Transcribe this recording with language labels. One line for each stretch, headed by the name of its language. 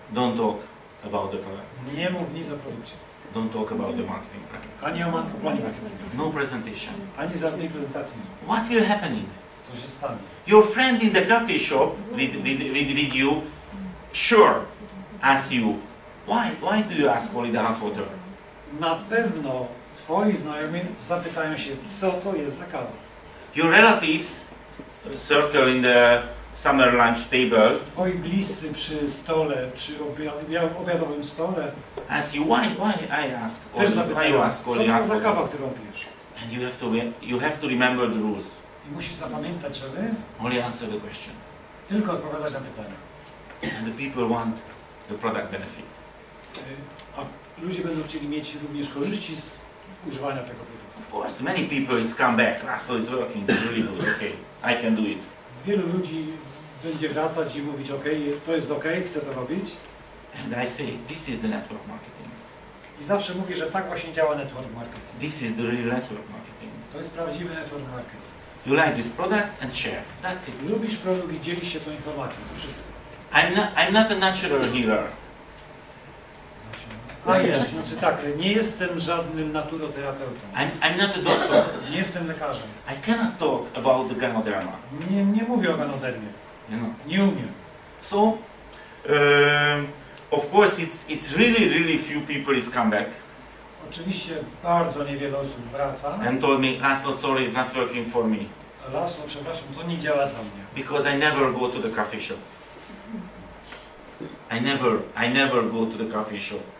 English: Don't talk about the product.
Polish: Nie mów nic o produkcie.
English: Don't talk about the marketing plan.
Polish: Ani o planie marketingowym.
English: No presentation.
Polish: Ani żadnej prezentacji.
English: What will happening?
Polish: Co się stanie?
English: Your friend in the coffee shop with you, sure, ask you, why do you ask only the hot water?
Polish: Na pewno twoi znajomi zapytają się, co to jest za kawa.
English: Your relatives. Circle in the summer lunch table.
Polish: Twoi bliscy przy stole, przy obiadowym stole.
English: Ask you why I ask.
Polish: Też zapytają, co to za kawa, którą pijesz.
English: And you have to remember the rules.
Polish: I musisz zapamiętać, żeby.
English: Only answer the question.
Polish: Tylko odpowiadać na pytania.
English: And the people want the product benefit.
Polish: A ludzie będą chcieli mieć również korzyści z używania tego produktu.
English: Of course, many people is come back. Laszlo is working. It's really good. Okay. I can do it.
Polish: Wielu ludzi będzie wracać i mówić, ok, to jest ok, chcę to robić.
English: And I say, this is the network marketing.
Polish: I zawsze mówię, że tak właśnie działa network marketing.
English: This is the real network marketing.
Polish: To jest prawdziwy network marketing.
English: You like this product and share. That's it.
Polish: Lubisz produkt i dzielisz się tą informacją, to wszystko.
English: I'm not a natural healer.
Polish: Znaczy tak, nie jestem żadnym naturoterapeutą.
English: I'm not a doctor.
Polish: Nie jestem lekarzem.
English: I cannot talk about the ganoderma.
Polish: Nie mówię o ganodermie. Nie umiem.
English: So, of course, it's really, really few people is come back.
Polish: Oczywiście bardzo niewiele osób wraca.
English: And told me, Laszlo, sorry, it's not working for me.
Polish: Laszlo, przepraszam, to nie działa dla mnie.
English: Because I never go to the coffee shop. I never go to the coffee shop.